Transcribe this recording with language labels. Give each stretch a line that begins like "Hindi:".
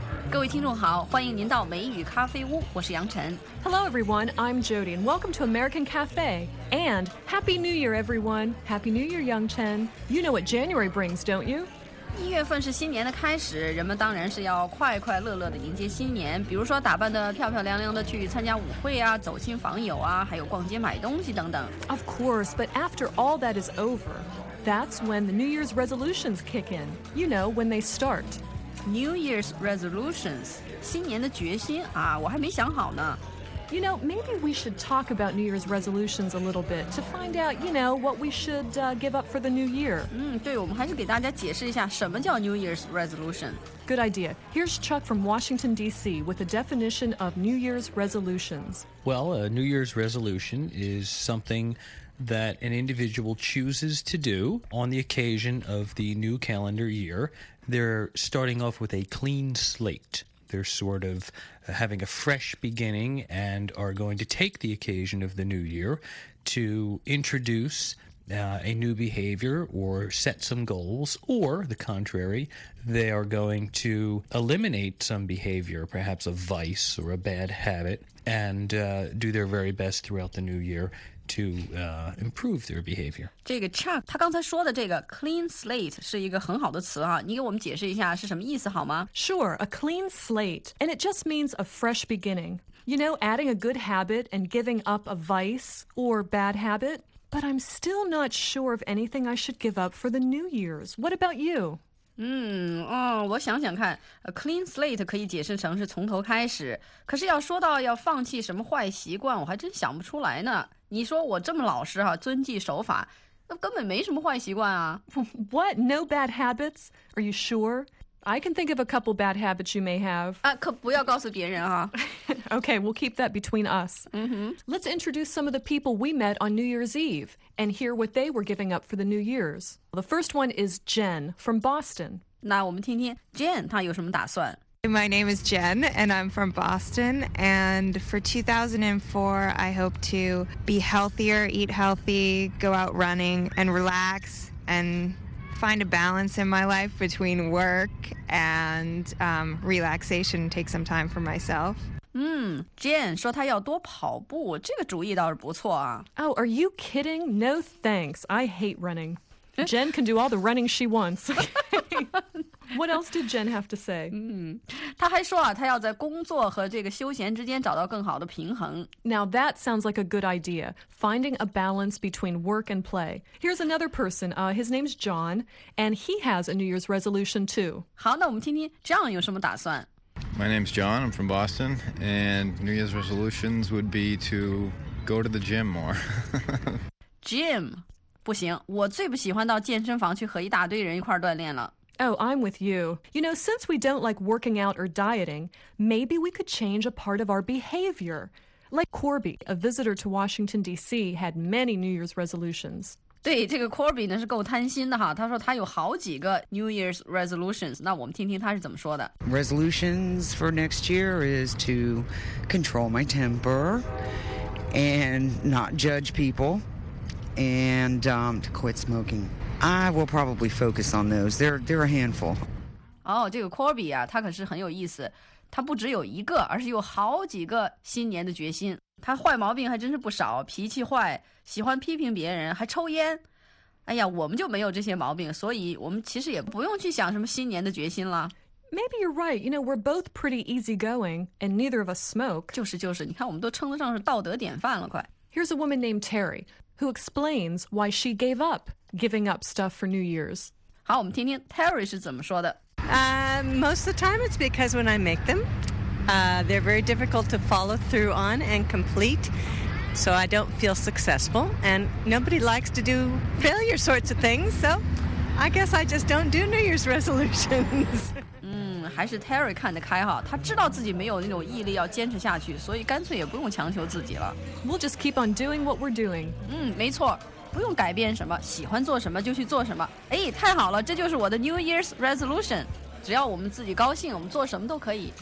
Chinese: 各位听众好，欢迎您到美语咖啡屋，我是杨晨。
English: Hello everyone, I'm Jody, and welcome to American Cafe. And Happy New Year, everyone. Happy New Year, Yang Chen. You know what January brings, don't you?
Chinese: 一月份是新年的开始，人们当然是要快快乐乐地迎接新年，比如说打扮得漂漂亮亮地去参加舞会啊，走亲访友啊，还有逛街买东西等等。
English: Of course, but after all that is over, that's when the New Year's resolutions kick in. You know, when they start.
Chinese: New Year's resolutions, 新年的决心啊，我还没想好呢。
English: You know, maybe we should talk about New Year's resolutions a little bit to find out, you know, what we should, give up for the new year.
Chinese: 对，我们还是给大家解释一下什么叫 New Year's resolution.
English: Good idea. Here's Chuck from Washington, D.C. with a definition of New Year's resolutions. Well, a New Year's resolution is something that an individual chooses to do on the occasion of the new calendar year. They're starting off with a clean slate. They're sort of having a fresh beginning and are going to take the occasion of the new year to introduce a new behavior or set some goals, or the contrary, they are going to eliminate some behavior, perhaps a vice or a bad habit, and do their very best throughout the new year. To improve their behavior. 这个 Chuck, 他刚才说的这个 clean slate 是一个很好的词啊，你给我们解释一下是什么意思好吗？ Sure, a clean slate, and it just means a fresh beginning. You know, adding a good habit and giving up a vice or bad habit. But I'm still not sure of anything I should give up for the New Year's. What about you?
Chinese: 我想想看 ，a clean slate 可以解释成是从头开始。可是要说到要放弃什么坏习惯，我还真想不出来呢。你说我这么老实哈，遵纪守法，那根本没什么坏习惯啊。
English: What? No bad habits? Are you sure? I can think of a couple bad habits you may have.
Chinese: 啊，可不要告诉别人啊。
English: Okay, we'll keep that between us. Mm-hmm. Let's introduce some of the people we met on New Year's Eve and hear what they were giving up for the New Year's. The first one is Jen from Boston.
Chinese: 那我们听听 Jen 她有什么打算。
English: My name is Jen, and I'm from Boston. And for 2004, I hope to be healthier, eat healthy, go out running, and relax, and find a balance in my life between work and relaxation, take some time for myself.
Chinese: Jane 说她要多跑步，这个主意倒是不错啊。
English: Oh, are you kidding? No thanks. I hate running. Jen can do all the running she wants. What else did Jen have to say?
Chinese: 她还说啊，她要在工作和这个休闲之间找到更好的平衡。
English: Now that sounds like a good idea, finding a balance between work and play. Here's another person. His name's John, and he has a New Year's resolution too.
Chinese: 好，那我们听听 John 有什么打算。
English: My name's John, I'm from Boston, and New Year's resolutions would be to go to the gym more. Gym?
Chinese: 不行，我最不喜欢到健身房去和一大堆人一块锻炼了。
English: Oh, I'm with you. You know, since we don't like working out or dieting, maybe we could change a part of our behavior. Like Corby, a visitor to Washington, D.C., had many New Year's resolutions.
Chinese: 对，这个 Corby 呢是够贪心的哈，他说他有好几个 New Year's resolutions， 那我们听听他是怎么说的。
English: Resolutions for next year is to control my temper and not judge people and to quit smoking. I will probably focus on those. They're a handful.
Chinese: 哦，这个 Corby 啊，他可是很有意思，他不只有一个，而是有好几个新年的决心。他坏毛病还真是不少，脾气坏，喜欢批评别人，还抽烟。哎呀，我们就没有这些毛病，所以我们其实也不用去想什么新年的决心了。
English: Maybe you're right. You know, we're both pretty easygoing, and neither of us smoke.
Chinese: 就是就是，你看我们都称得上是道德典范了，快。
English: Here's a woman named Terry, who explains why she gave up giving up stuff for New Year's.
Chinese: 好，我们听听 Terry 是怎么说的。
English: Most of the time it's because when I make them,they're very difficult to follow through on and complete, so I don't feel successful, and nobody likes to do failure sorts of things, so I guess I just don't do New Year's resolutions.
Chinese: 还是 Terry 看得开哈，他知道自己没有那种毅力要坚持下去，所以干脆也不用强求自己了。
English: We'll just keep on doing what we're doing.
Chinese: 没错，不用改变什么，喜欢做什么就去做什么。哎，太好了，这就是我的 New Year's resolution. 只要我们自己高兴，我们做什么都可以。